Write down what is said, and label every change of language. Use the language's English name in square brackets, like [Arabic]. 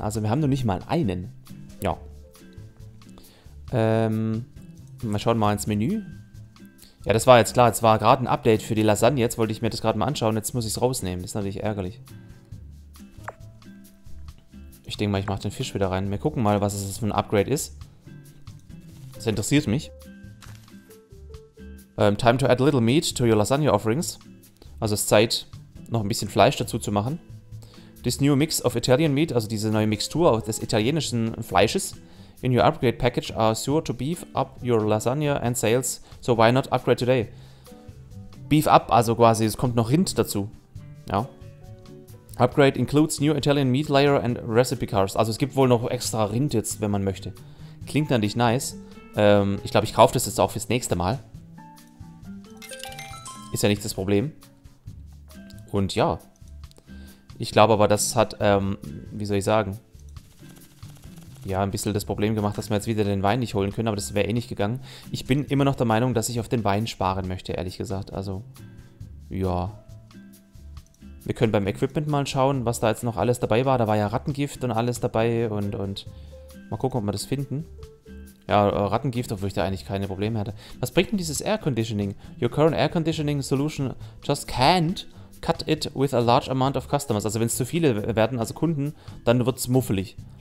[German] Also wir haben noch nicht mal einen. Ja. Mal schauen mal ins Menü. Ja, das war jetzt klar, es war gerade ein Update für die Lasagne. Jetzt wollte ich mir das gerade mal anschauen, jetzt muss ich es rausnehmen. Das ist natürlich ärgerlich. Ich denke mal, ich mache den Fisch wieder rein. Wir gucken mal, was es für ein Upgrade ist. Das interessiert mich. [English] Time to add a little meat to your lasagna offerings. [German] Also es ist Zeit, noch ein bisschen Fleisch dazu zu machen. [English] This new mix of Italian meat, [German] also diese neue Mixtur des italienischen Fleisches, [English] in your upgrade package are sure to beef up your lasagna and sales. So why not upgrade today? Beef up, [German] also quasi, es kommt noch Rind dazu. Ja. [English] Upgrade includes new Italian meat layer and recipe cards. [German] Also es gibt wohl noch extra Rind jetzt, wenn man möchte. Klingt natürlich nice. Ich glaube, ich kaufe das jetzt auch fürs nächste Mal. Ist ja nicht das Problem. Und ja. Ich glaube aber, das hat, wie soll ich sagen? Ja, ein bisschen das Problem gemacht, dass wir jetzt wieder den Wein nicht holen können. Aber das wäre eh nicht gegangen. Ich bin immer noch der Meinung, dass ich auf den Wein sparen möchte, ehrlich gesagt. Also, ja. Wir können beim Equipment mal schauen, was da jetzt noch alles dabei war. Da war ja Rattengift und alles dabei und mal gucken, ob wir das finden. Ja, Rattengift, obwohl ich da eigentlich keine Probleme hätte. Was bringt denn dieses Air Conditioning? [English] Your current Air Conditioning Solution just can't cut it with a large amount of customers. [German] Also wenn es zu viele werden, also Kunden, dann wird es muffelig.